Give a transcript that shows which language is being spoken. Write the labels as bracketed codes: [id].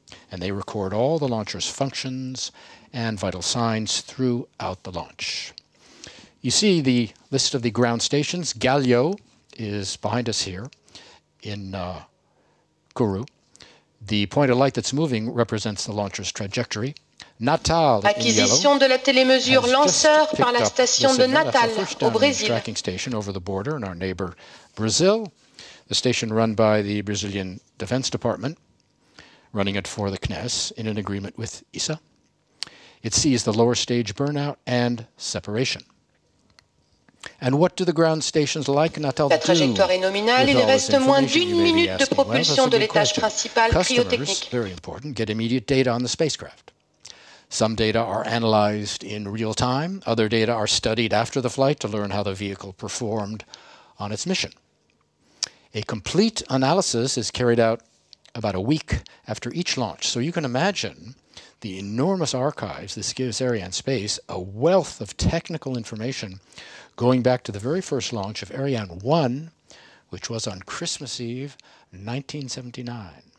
[en] And they record all the launcher's functions and vital signs throughout the launch. You see the list of the ground stations. Galio is behind us here in Kourou. The point of light that's moving represents the launcher's trajectory. [fr] Natal, acquisition de la télémesure lanceur par la station de Natal au Brésil. [en] Tracking station over the border in our neighbor Brazil. the station run by the Brazilian Defense Department, running it for the CNES in an agreement with ESA. It sees the lower stage burnout and separation. And what do the ground stations like Natal do? [fr] La trajectoire est nominale, il reste moins d'une minute de propulsion de l'étage principal cryotechnique. [en] Customers, very important, get immediate data on the spacecraft. Some data are analyzed in real time, other data are studied after the flight to learn how the vehicle performed on its mission. A complete analysis is carried out about a week after each launch, so you can imagine the enormous archives this gives Arianespace, a wealth of technical information going back to the very first launch of Ariane 1, which was on Christmas Eve, 1979.